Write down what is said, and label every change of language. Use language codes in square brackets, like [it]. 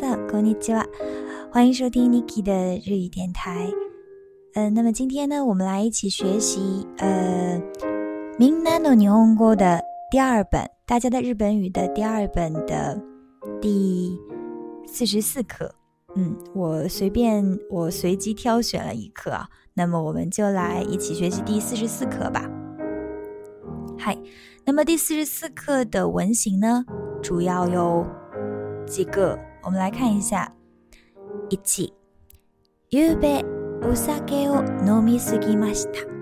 [zh] こんにちは，欢迎收听 Niki 的日语电台。那么今天呢，我们来一起学习みんなの日本語的第二本，大家的日本语的第二本的第44课。我随机挑选了一课啊，那么我们就来一起学习第44课吧。嗨，那么第44课的文型呢，主要有几个，我们来看一下。 1、 [ja] ゆうべお酒を飲みすぎました。